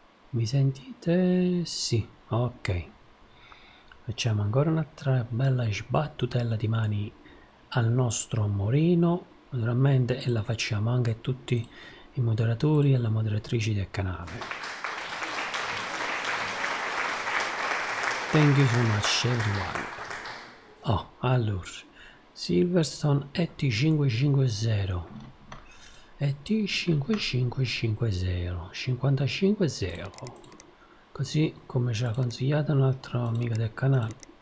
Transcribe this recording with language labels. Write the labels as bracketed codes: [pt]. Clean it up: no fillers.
[it] Mi sentite? Sì, ok. Facciamo ancora un'altra bella sbattutella di mani al nostro Morino. Naturalmente, e la facciamo anche a tutti i moderatori e la moderatrice del canale. [en] Thank you so much everyone. [it] Oh, allora, Silverstone ET5550, ET5550, 55-0, così come ci ha consigliato un altro amico del canale.